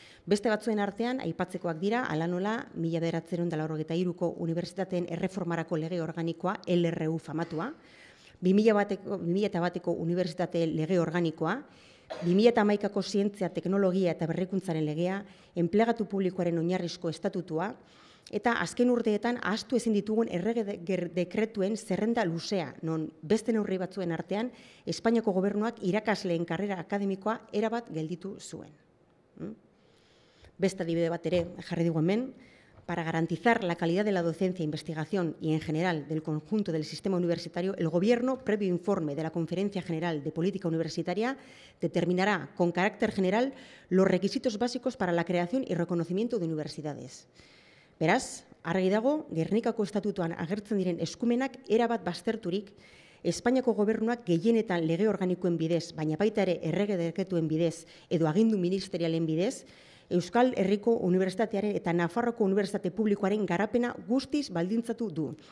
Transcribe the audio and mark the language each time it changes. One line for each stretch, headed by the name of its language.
Basque: Beste batzuen artean, aipatzekoak dira, ala nola, 1983ko unibertsitateen erreformarako lege organikoa, LRU famatua, 2001ko unibertsitate lege organikoa, 2011ko zientzia, teknologia eta berrikuntzaren legea, enplegatu publikoaren oinarrizko estatutua, eta azken urteetan ahaztu ezin ditugun errege dekretuen zerrenda luzea, non beste neurri batzuen artean, Espainiako gobernuak irakasleen karrera akademikoa erabat gelditu zuen. Beste adibide bat ere jarri dugu hemen,
Spanish: para garantizar la calidad de la docencia, investigación y en general del conjunto del sistema universitario, el gobierno, previo informe de la Conferencia General de Política Universitaria, determinará con carácter general los requisitos básicos para la creación y reconocimiento de universidades.
Basque: Beraz, argi dago, Gernikako estatutuan agertzen diren eskumenak erabat bazterturik, Espainiako gobernuak gehienetan lege organikoen bidez, baina baita ere errege dekretuen bidez edo agindu ministerialen bidez, Euskal Herriko Unibertsitatearen eta Nafarroko Unibertsitate Publikoaren garapena guztiz baldintzatu du.